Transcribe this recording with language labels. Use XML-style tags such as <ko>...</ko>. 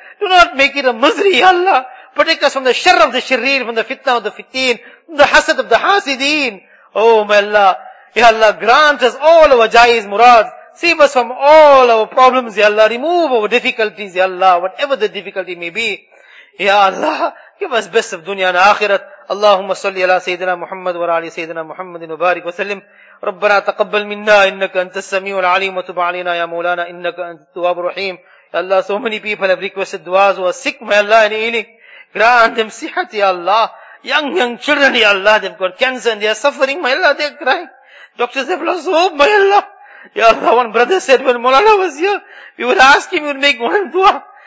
<en>Do not make it a misery, ya Allah. Protect us from the sharr of the sharreen, from the fitna of the fitteen, from the hasad of the hasideen. Oh, my Allah. Ya Allah, grant us all our jais murads. Save us from all our problems, ya Allah. Remove our difficulties, ya Allah. Whatever the difficulty may be. Ya Allah, give us best of dunya and akhirat.</en> <ar>اللهم صل على سيدنا محمد وعلى ال سيدنا محمد وبارك وسلم. ربنا تقبل منا انك انت السميع العليم وتب علينا يا مولانا انك انت التواب الرحيم.</ar> <en>Allah, so many people have requested duas who are sick, may Allah and healing. Grant them sihat, ya Allah. Young children, ya Allah, they've got cancer and they are suffering, may Allah, they're crying. Doctors have lost hope, may Allah. Ya Allah, one brother said, when Maulana was here, we would ask him, we would make one dua.</en>